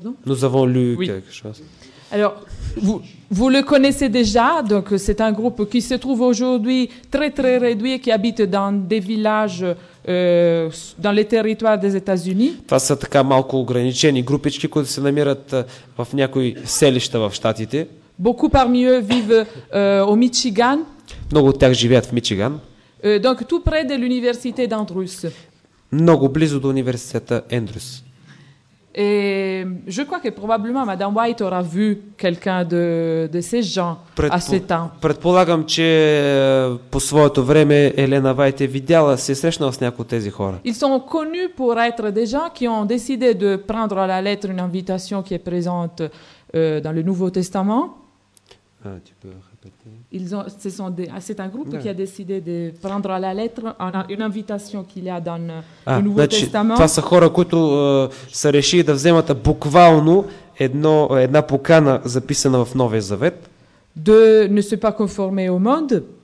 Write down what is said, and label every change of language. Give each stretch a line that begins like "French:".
French: Nous avons lu quelque chose. Alors, vous le connaissez déjà, donc c'est un groupe qui se trouve aujourd'hui très très réduit, qui habite dans des villages dans les territoires des États-Unis.
Bulgarian: Това са така малко ограничени групички, които се намират в някои селища в Щатите.
French: Beaucoup parmi eux vivent au Michigan.
Bulgarian: Много от тях живеят в Мичиган.
French: Donc tout près de l'université d'Andrews.
Bulgarian: Много близо до университета Andrews.
French: Et je crois que probablement Madame White aura vu quelqu'un de ces gens à ce temps.
Bulgarian: Предполагам, че по своето време Елена Вайт е видяла, се срещнала с някои от тези хора.
French: Ils sont connus pour être des gens qui ont décidé de prendre à la lettre une invitation qui est présente dans le Nouveau Testament. Tu peux répéter. C'est un groupe qui a décidé de prendre à la lettre une invitation qu'il y a dans le Nouveau Testament.
Bulgarian: Това са хора, които са решили да вземат буквално една покана, записана в Новия Завет.
French: De ne se pas conformer au monde.